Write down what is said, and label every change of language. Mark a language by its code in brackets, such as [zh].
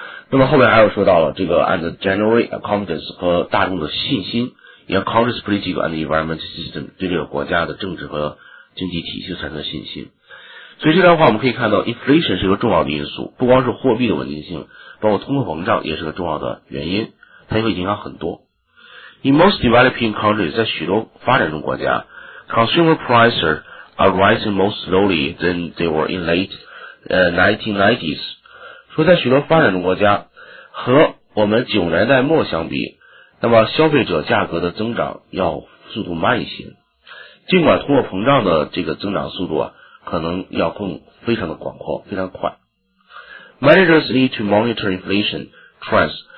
[zh] 那么后面还有说到了这个 [en] and generate confidence [zh] 和大众的信心 [en] and country's political and environment system [zh] 对这个国家的政治和经济体系产生信心。所以这段话我们可以看到 inflation 是一个重要的因素，不光是货币的稳定性，包括通货膨胀也是个重要的原因，它会影响很多。 [en] In most developing countries, [zh] 在许多发展中国家 [en] consumer prices are rising more slowly than they were in late 1990s, [zh] 说在许多发展中国家和我们90年代末相比，那么消费者价格的增长要速度慢一些。尽管通货膨胀的这个增长速度啊，可能要更非常的广阔，非常快。 [en] Managers need to monitor inflation trends.